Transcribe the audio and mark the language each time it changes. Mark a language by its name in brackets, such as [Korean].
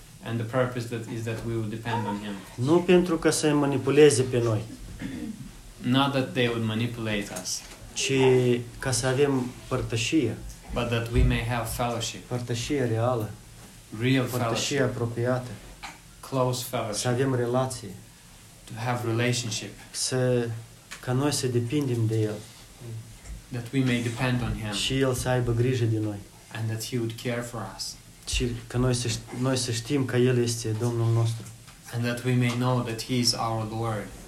[English] And the purpose that is that we will depend on Him. [Romanian] Nu pentru că să-i manipuleze pe noi. [English] Not that they would manipulate us. [Romanian] Ci ca să avem părtășie. [English] But that we may have fellowship. [Romanian] Părtășie reală. [English] Real [Romanian] părtășie [English] fellowship. [Romanian] Părtășie apropiată. [English] Close fellowship. [Romanian] Să avem relație. [English] To have relationship. [Romanian] Să... Ca noi să depindem de El. [English] That we may depend on Him. [Romanian] Și El să aibă grijă de noi. [English] And that He would care for us. [Romanian] Și că noi să știm că El este Domnul nostru. [English] And that we may know that He is our Lord.